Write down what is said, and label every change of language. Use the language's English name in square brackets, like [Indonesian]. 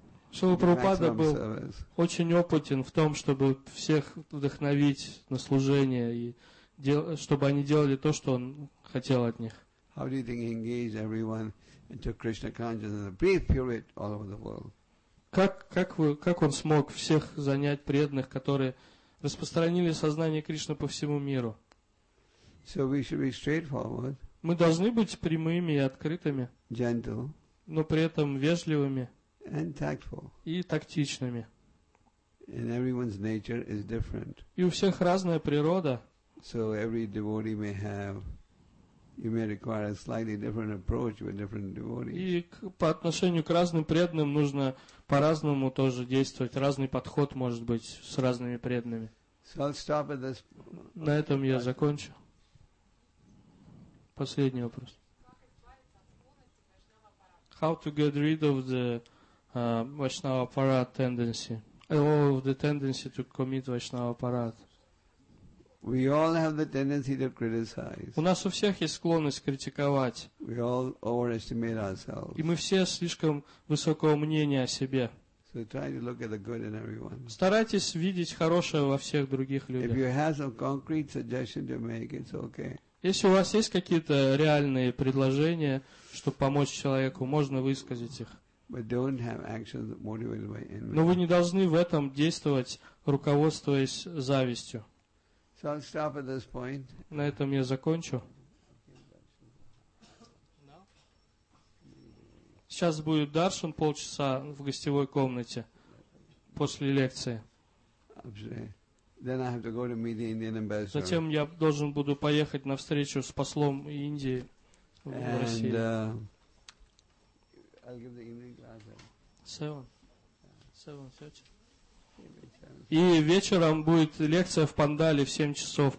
[Russian] Шрила Прабхупада был очень опытен в том, чтобы всех вдохновить на служение и чтобы они делали то, что он хотел от них. [English] How do you think he engaged everyone into Krishna consciousness in a brief period all over the world? [Russian] Как он смог всех занять преданных, которые распространили сознание Кришны по всему миру? [English] So we should be straightforward. [Russian] Мы должны быть прямыми и открытыми. [English] Gentle. [Russian] Но при этом вежливыми. [English] And tactful. [Russian] И тактичными. [English] And everyone's nature is different. [Russian] И у всех разная природа. [English] So every devotee may have, you may require a slightly different approach with different devotees. [Russian] И по отношению к разным преданным нужно по-разному тоже действовать. Разный подход может быть с разными преданными. [English] So I'll stop at this. [Russian] На этом я закончу. Последний вопрос. [English] How to get rid of the Vaishnava aparat tendency? Of the tendency to commit Vaishnava aparat? We all have the tendency to criticize. [Russian] У нас у всех есть склонность критиковать. [English] We all overestimate ourselves. [Russian] И мы все слишком высокого мнения о себе. [English] So try to look at the good in everyone. [Russian] Старайтесь видеть хорошее во всех других людях. [English] If you have some concrete suggestion to make, it's okay. [Russian] Если у вас есть какие-то реальные предложения, чтобы помочь человеку, можно высказать их. [English] But don't have actions motivated by envy. [Russian] Но вы не должны в этом действовать, руководствуясь завистью. [English] So I'll stop at this point. [Russian] На этом я закончу. Сейчас будет даршан полчаса в гостевой комнате после лекции. [English] Then I have to go to meet the Indian ambassador. [Russian] Затем я должен буду поехать на встречу с послом Индии в России. [English] And I'll give the evening class. Seven thirty. [Russian] И вечером будет лекция в Пандале в 7 часов.